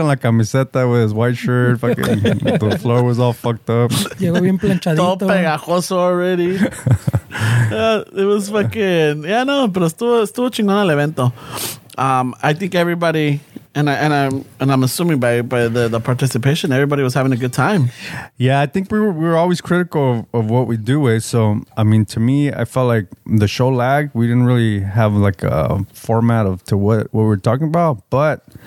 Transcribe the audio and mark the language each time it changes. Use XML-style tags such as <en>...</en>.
<es>la camiseta</es> <en>with his white shirt, fucking the floor was all fucked up.</en> <es>Llegó bien planchadito. Todo pegajoso already.</es> <en>It was fucking</en> <es>pero estuvo chingón el evento.</es> <en>I think everybody and I'm assuming by the participation everybody was having a good time. Yeah, I think we were always critical of what we do with. So I mean, to me, I felt like the show lagged. We didn't really have like a format of to what we were talking about, but</en>